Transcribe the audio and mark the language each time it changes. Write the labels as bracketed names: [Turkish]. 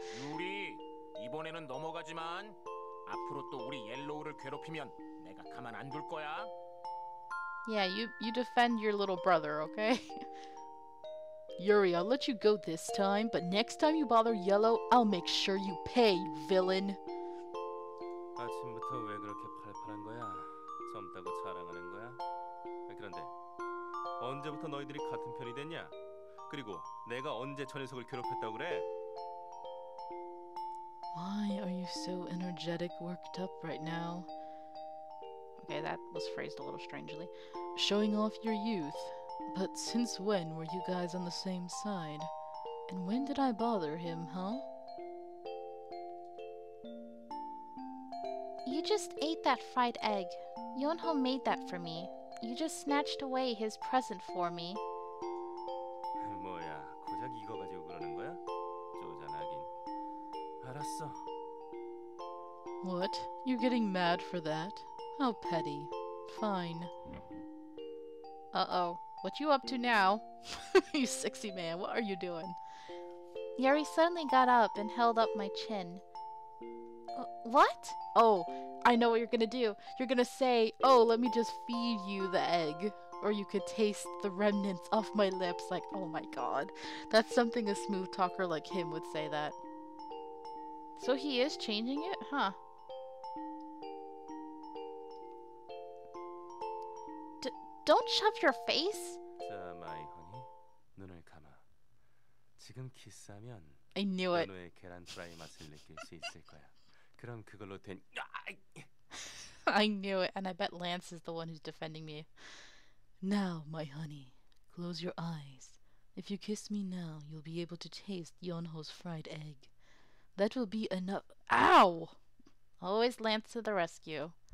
[Korean] Yuri, 이번에는 넘어가지만 앞으로 또 우리 옐로우를 괴롭히면 내가 가만 안 둘 거야. [English] Yeah, you defend your little brother, okay? Yuri, I'll let you go this time, but next time you bother Yellow, I'll make sure you pay, you villain. [Korean] 아침부터 왜 그렇게 팔팔한 거야? 젊다고 자랑하는 거야? 그런데 언제부터 너희들이 같은 편이 됐냐? 그리고 내가 언제 저 녀석을 괴롭혔다고 그래? [English] Why are you so energetic, worked up right now? Okay, that was phrased a little strangely. Showing off your youth. But since when were you guys on the same side? And when did I bother him, huh? You just ate that fried egg. Yeonhul made that for me. You just snatched away his present for me. [Korean] 뭐야, 고작 이거 가지고 그러는 거야? 쪼잔하긴. 아, 알았어. [English] What? You're getting mad for that? How petty. Fine. Uh-oh. What you up to now? You sexy man, what are you doing? Yari suddenly got up and held up my chin. What? Oh, I know what you're gonna do. You're gonna say, oh, let me just feed you the egg. Or you could taste the remnants off my lips like, oh my god. That's something a smooth talker like him would say that. So he is changing it? Huh. Don't shove your face! My honey, [Korean] 눈을 감아. 지금 키스하면 [English] I knew it. [Korean] 연우의 계란 프라이 맛을 느낄 수 있을 거야. 그럼 그걸로 된... [English] I knew it, and I bet Lance is the one who's defending me. Now, my honey, close your eyes. If you kiss me now, you'll be able to taste Yeonho's fried egg. That will be enough... Ow! Always Lance to the rescue.